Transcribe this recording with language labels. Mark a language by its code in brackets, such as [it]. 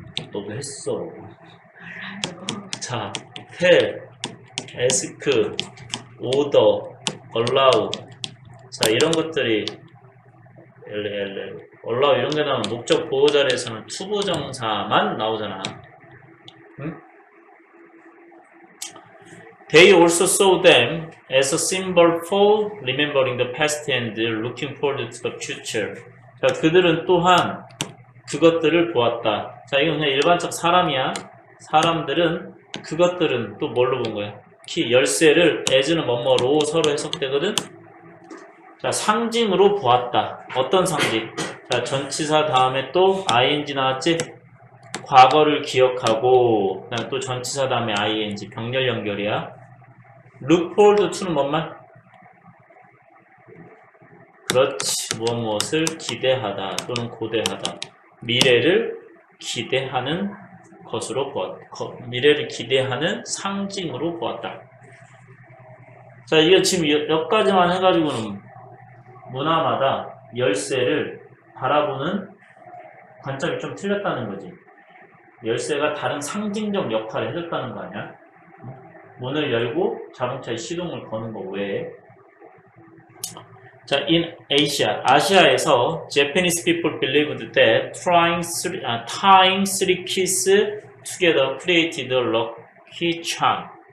[ko] 너도 했어. 자, [en] tell, ask, order, allow. [ko] 자, 이런 것들이 allow 이런 게 나오면 목적 보호 자리에서는 투부정사만 나오잖아. 응? [en] They also saw them as a symbol for remembering the past and looking forward to the future. [ko] 자, 그들은 또한 그것들을 보았다. 자, 이건 그냥 일반적 사람이야. 사람들은 그것들은 또 뭘로 본 거야? 키, 열쇠를 as는 뭐뭐로 서로 해석되거든. 자, 상징으로 보았다. 어떤 상징? 자, 전치사 다음에 또 ing 나왔지? 과거를 기억하고, 그다음에 또 전치사 다음에 ing, 병렬 연결이야. look forward to는 뭔 말? 그렇지, 무엇을 기대하다 또는 고대하다. 미래를 기대하는 것으로 보았다. 미래를 기대하는 상징으로 보았다. 자, 이게 지금 몇 가지만 해가지고는 문화마다 열쇠를 바라보는 관점이 좀 틀렸다는 거지. 열쇠가 다른 상징적 역할을 해줬다는 거 아니야? 문을 열고 자동차의 시동을 거는 거 외에. [en] 자, in Asia, [ko] 아시아에서 [en] Japanese people believed that tying three keys together created a lucky charm.